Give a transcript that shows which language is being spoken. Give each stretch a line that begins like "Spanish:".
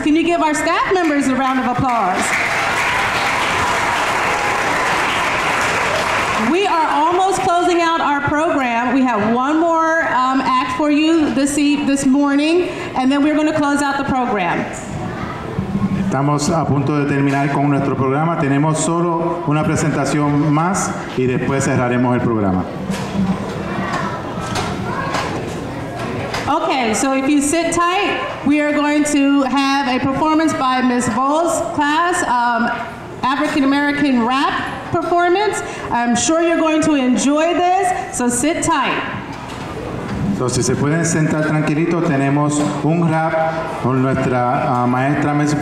English: Can you give our staff members a round of applause? We are almost closing out our program. We have one more act for you this morning, and then we're going to close out the program.
Spanish: Estamos a punto de terminar con nuestro programa. Tenemos solo una presentación más y después cerraremos el programa.
English: Okay, so if you sit tight, we are going to have a performance by Ms. Vol's class, African American rap performance. I'm sure you're going to enjoy this, so sit tight.
Spanish: So, si se pueden sentar tranquilito, tenemos un rap con nuestra maestra Ms.